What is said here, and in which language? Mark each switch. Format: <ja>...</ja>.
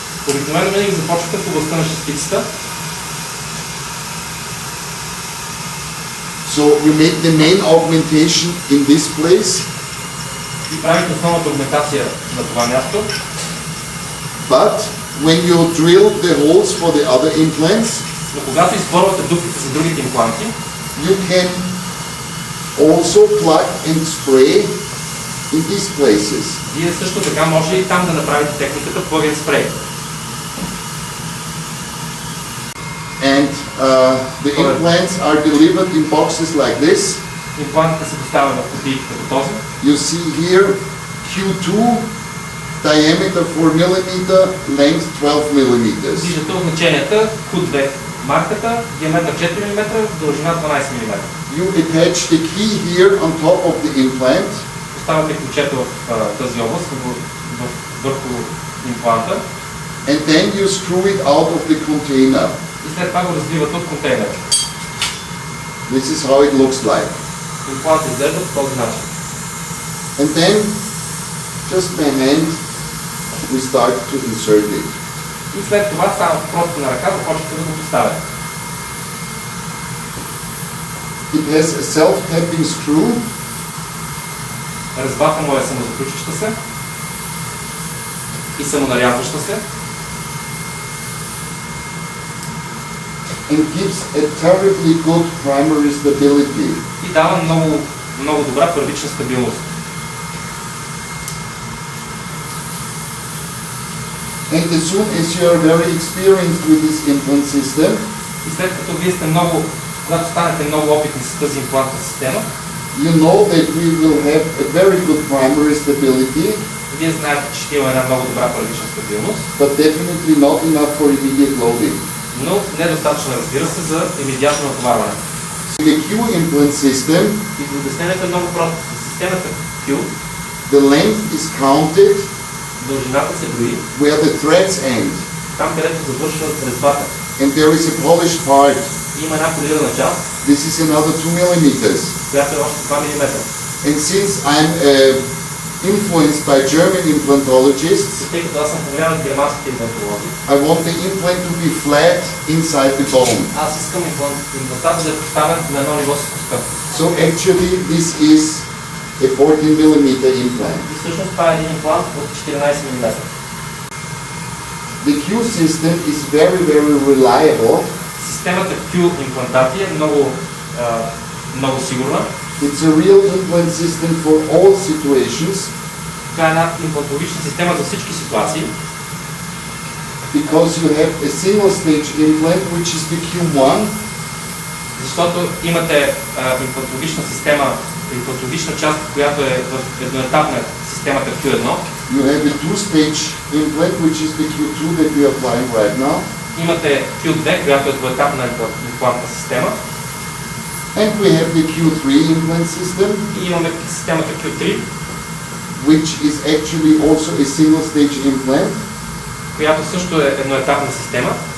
<bg>Обикновено винаги започвате в областта на шестицата.</bg> <en>So you make the main augmentation in this place.</en> <bg>И правите основната аугментация на това място.</bg> <en>But when you drill the holes for the other implants,</en> <bg>но когато изборвате дупките за другите импланти,</bg> <en>you can also plug and spray in these places.</en> <bg>Вие също така може и там да направите техниката plug and spray.</bg> <en>And The implants are delivered in boxes like this.</en> <bg>Импланта се поставя на кутии като този.</bg> <en>You see here Q2 diameter 4 mm, length 12 mm.</en> <bg>Виждате означенията Q2 марката, диаметър 4 мм, дължина 12 мм.</bg> <en>You attach the key here on top of the implant.</en> <bg>Поставяте ключето в тази област, върху импланта.</bg> <en>And then you screw it out of the container.</en> <bg>И след това го развивате от контейнера.</bg> <en>This is how it looks like.</en> <bg>Импланта изглежда по този начин.</bg> <en>And then, just by hand, we start to insert it.</en> <bg>И след това само просто на ръка започвате да го поставяте.</bg> <en>It has a self-tapping screw.</en> <bg>Резбата му е самозаключваща се и самонарязваща се.</bg> <en>And gives a terribly good primary stability.</en> <bg>И дава много, много добра първична стабилност.</bg> <en>And as soon as you are very experienced with this implant system,</en> <bg>и след като вие сте много, когато станете много опитни с тази имплантна система,</bg> <en>you know that we will have a very good primary stability.</en> <bg>Вие знаете, че ще има една много добра първична стабилност.</bg> <en>But definitely not enough for immediate loading.</en> <bg>Но недостатъчно, разбира се, за имидиатно натоварване.</bg> <en>So the Q implant system,</en> <bg>и обяснението е много просто. За системата Q,</bg> <en>the length is counted,</en> <bg>дължината се брои,</bg> <en>where the threads end.</en> <bg>Там, където завършва резбата.</bg> <en>And there is a polished part.</en> <bg>Има една полирана част.</bg> <en>This is another 2 millimeters.</en> <bg>Която е още 2 мм.</bg> <en>And since I'm influenced by German implantologists,</en> <bg>тъй като аз съм повлиян от германските имплантологи,</bg> <en>I want the implant to be flat inside the bone.</en> <bg>Аз искам имплантата да е поставен на едно ниво с костта.</bg> <en>So actually this is a 14 mm implant.</en> <bg>И всъщност това е един имплант от 14 мм.</bg> <en>The Q system is very, very reliable.</en> <bg>Системата Q имплантати е много, много сигурна.</bg> <en>It's a real implant system for all situations.</en> <bg>Това е една имплантологична система за всички ситуации.</bg> <en>Because you have a single stage implant, which is the Q1.</en> <bg>Защото имате имплантологична система, имплантологична част, която е в едноетапна системата Q1.</bg> <en>You have a two-stage implant, which is the Q2 that we are applying right now.</en> <bg>Имате Q2, която е двуетапна имплантна система.</bg> <en>And we have the Q3 implant system.</en> <bg>И имаме системата Q3.</bg> <en>Which is actually also a single-stage implant.</en> <bg>Която също е едноетапна система.</bg>